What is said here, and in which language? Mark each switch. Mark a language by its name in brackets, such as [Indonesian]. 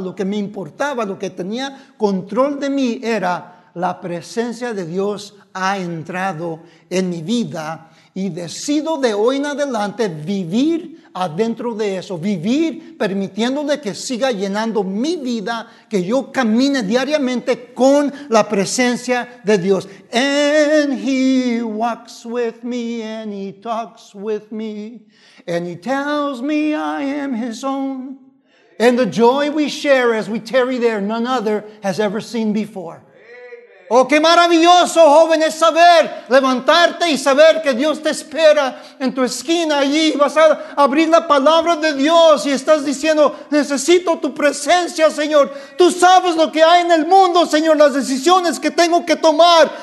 [Spanish] Lo que me importaba, lo que tenía control de mí, era la presencia de Dios ha entrado en mi vida. Y decido de hoy en adelante vivir adentro de eso, vivir permitiéndole que siga llenando mi vida, que yo camine diariamente con la presencia de Dios. [English] And he walks with me and he talks with me and he tells me I am his own. And the joy we share as we tarry there, none other has ever seen before. [Spanish] Oh, qué maravilloso, joven, es saber, levantarte y saber que Dios te espera en tu esquina allí. Vas a abrir la palabra de Dios y estás diciendo, necesito tu presencia, Señor. Tú sabes lo que hay en el mundo, Señor, las decisiones que tengo que tomar.